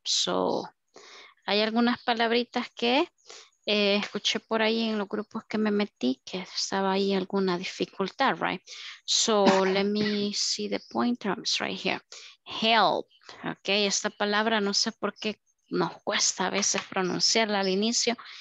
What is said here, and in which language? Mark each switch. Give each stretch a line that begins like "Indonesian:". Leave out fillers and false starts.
Spanish: So hay algunas palabritas que escuché por ahí en los grupos que me metí que estaba ahí alguna dificultad, right?
English: So let me see the pointers right here. Help, okay.
Spanish: Esta palabra no sé por qué nos cuesta a veces pronunciarla al inicio.